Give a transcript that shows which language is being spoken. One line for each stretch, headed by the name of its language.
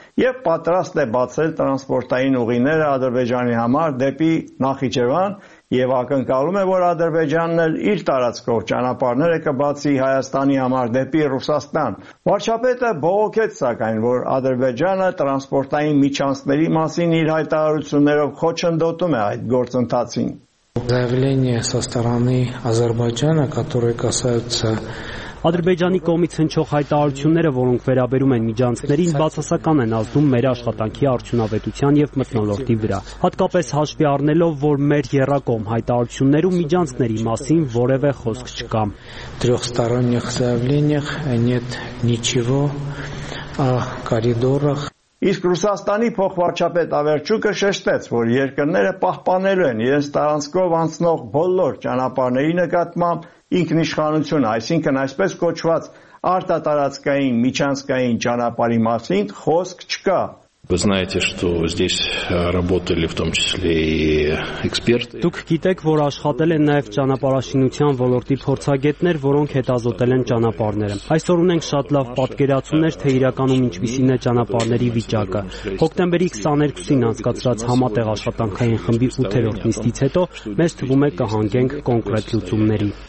Armenian: և պատրաստ է բացել տրանսպորտային ուղիները Ադրբեջանի համար դեպի Նախիջևան, և ակնկալում է, որ Ադրբեջանն էլ իր տարածքով ճանապարհները կբացի Հայաստանի համար դեպի Ռուսաստան։ Վարչապետը բողոքեց սակայն, որ Ադրբեջանը տրանսպորտային միջանցների մասին իր հայտարարություններով խոչընդոտում է այդ գործընթացին։
Russian: Заявление со стороны Азербайджана, которое касается
Armenian: Ադրբեջանի կողմից հնչող հայտարարությունները, որոնք վերաբերում են միջանցներին, բացասական են ազդում մեր աշխատանքի արդյունավետության և մթնոլորտի վրա, հատկապես հաշվի առնելով, որ մեր երակոմ հայտարարություններում միջանցների մասին որևէ խոսք չկա։
Russian: Трёхсторонних заявлениях нет ничего о коридорах.
Armenian: Իսկ Ռուսաստանի փոխվարչապետ Ավերչուկը շեշտեց, որ երկրները պահպանելու են իրենց տարածքով անցնող բոլոր ճանապարհների նկատմամբ ինքնիշխանություն, այսինքն այսպես կոչված արտատարածքային միջանցքային ճանապարհի մասին խոսք չկա.
Russian: Вы знаете, что здесь работали в том числе и эксперты.
Armenian: Դուք գիտեք, որ աշխատել են նաև ճանապարհաշինության ոլորտի փորձագետներ, որոնք հետազոտել են ճանապարհները. Այսօր ունենք շատ լավ պատկերացումներ, թե իրականում ինչպիսին է ճանապարհների վիճակը։ Հոկտեմբերի 22-ին անցկացրած համատեղ աշխատանքային խմբի 8-րդ նիստից հետո մեզ թվում է կհանգենք կոնկրետ լուծումների։